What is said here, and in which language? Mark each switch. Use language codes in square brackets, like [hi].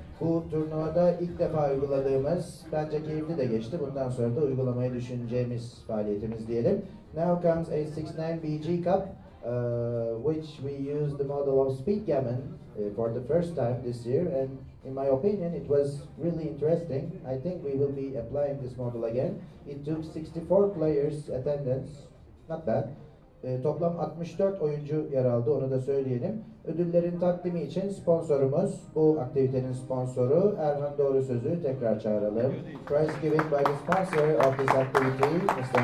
[tr] Bu turnuvada ilk defa uyguladığımız, bence keyifli de geçti. Bundan sonra da uygulamayı düşüneceğimiz faaliyetimiz diyelim. [en] Now comes 869 BG Cup, which we used the model of speedgammon for the first time this year. And in my opinion, it was really interesting. I think we will be applying this model again. It took 64 players attendance, not bad. [tr] Toplam 64 oyuncu yer aldı, onu da söyleyelim. Ödüllerin takdimi için sponsorumuz, bu aktivitenin sponsoru Erhan Doğru Söz'ü tekrar çağıralım. [en] Prize given by the sponsor of this activity, Mr.